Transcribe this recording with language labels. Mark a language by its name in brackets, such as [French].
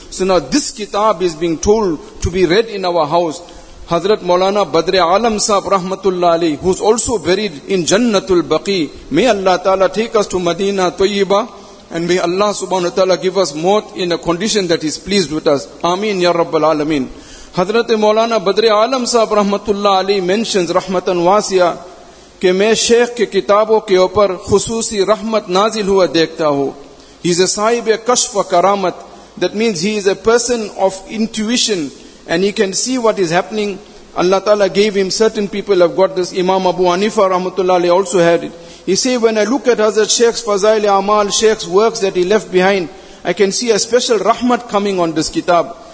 [English] So now this kitab is being told to be read in our house. Hazrat Maulana Badr-e Alam Sahab Rahmatullah Ali, who's also buried in Jannatul Baqi, may Allah Ta'ala take us to Madinah Tayyiba, and may Allah Subhanahu Wa Ta'ala give us maut in a condition that is pleased with us. Ameen Ya Rabbal Alameen. Hazrat Maulana Badr-e Alam Sahab Rahmatullah Ali mentions Rahmatan Wasiya, [Urdu] کہ میں شیخ کے کتابوں کے اوپر خصوصی رحمت نازل ہوا دیکھتا ہوں. [English] He is a sahib of kashf and karamat. That means he is a person of intuition and he can see what is happening. Allah Ta'ala gave him, certain people have got this. Imam Abu Hanifa rahmatullah alayhi also had it. He say, when I look at Hazrat Shaykh's Fazail Amal, Shaykh's works that he left behind, I can see a special rahmat coming on this kitab.